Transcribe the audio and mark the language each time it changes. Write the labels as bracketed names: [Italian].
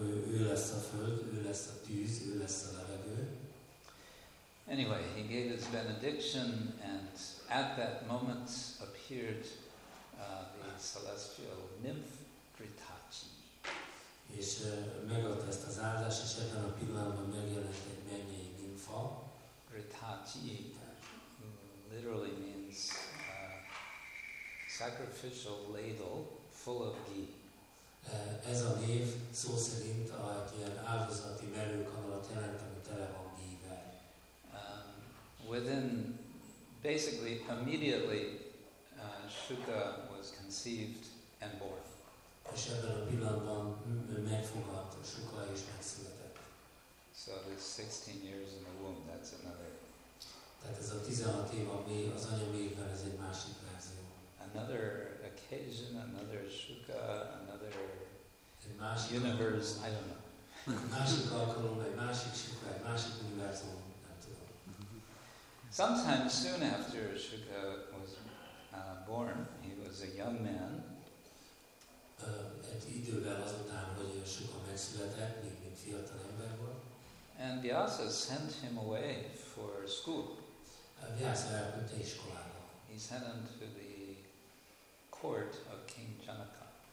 [Hungarian] Ő lesz a föld, ő lesz a tűz, ő lesz a levegő. [English] Anyway, he gave his benediction, and at that moment appeared the celestial nymph Kritachi. [Hungarian] És megadta ezt az áldás, és ebben a pillanatban megjelent egy mennyei nymfa. [English] Kritachi. Literally means sacrificial ladle full of ghee. [Hungarian] Ez a név szó szerint egy ilyen áldozati merőkanalat jelent, ami tele van ghee-vel. [English] Within, basically, immediately, Shuka was conceived and born. [Hungarian] És ebben a pillanatban megfogadt Shuka és megszületett. [English] So there's 16 years in the womb, that's another. [Hungarian] Tehát ez a 16 év a mély, az anya mélyben, ez egy másik verzió. [English] Another occasion, another Shuka, another [Hungarian] másik [English] universe, I don't know. [Hungarian] Másik alkalom, egy másik Sukha, egy másik univerzum, nem tudom. [English] Sometime soon after Sukha was born, he was a young man. [Hungarian] Egy idővel azután, hogy Sukha megszületett, még mint fiatal ember volt. [English] And Vyasa sent him away for school. He sent him to the court of King Janaka.